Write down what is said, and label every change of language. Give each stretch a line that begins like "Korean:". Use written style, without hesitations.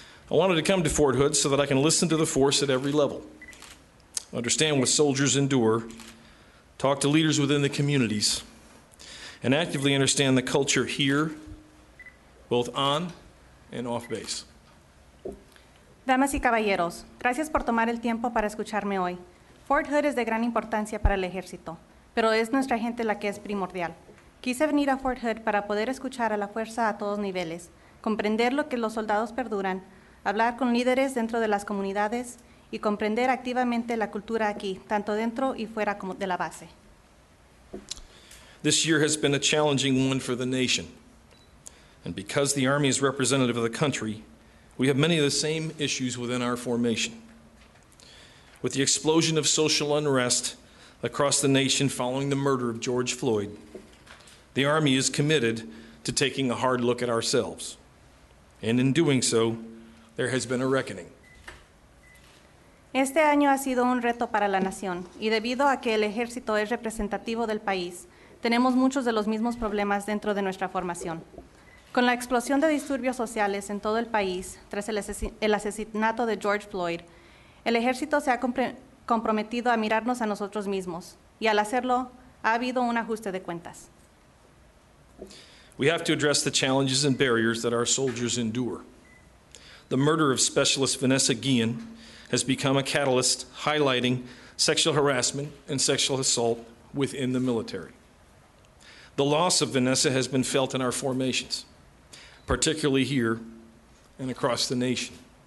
English: I wanted to come to Fort Hood so that I can listen to the force at every level, understand what soldiers endure, talk to leaders within the communities, and actively understand the culture here, both on and off base.
Spanish: Damas y caballeros, gracias por tomar el tiempo para escucharme hoy. Fort Hood es de gran importancia para el ejército, pero es nuestra gente la que es primordial. Quise venir a Fort Hood para poder escuchar a la fuerza a todos niveles, comprender lo que los soldados perduran, hablar con líderes dentro de las comunidades y comprender activamente la cultura aquí, tanto dentro y fuera como de la base.
English: This year has been a challenging one for the nation. And because the Army is representative of the country, we have many of the same issues within our formation. With the explosion of social unrest across the nation following the murder of George Floyd, the Army is committed to taking a hard look at ourselves. And in doing so, there has been a reckoning.
Spanish: Este año ha sido un reto para la nación, y debido a que el ejército es representativo del país, tenemos muchos de los mismos problemas dentro de nuestra formación. Con la explosión de disturbios sociales en todo el país tras el asesinato de George Floyd, el ejército se ha comprometido a mirarnos a nosotros mismos, y al hacerlo, ha habido un ajuste de cuentas.
English: We have to address the challenges and barriers that our soldiers endure. The murder of Specialist Vanessa Guillen has become a catalyst highlighting sexual harassment and sexual assault within the military. The loss of Vanessa has been felt in our formations, particularly here and across the nation.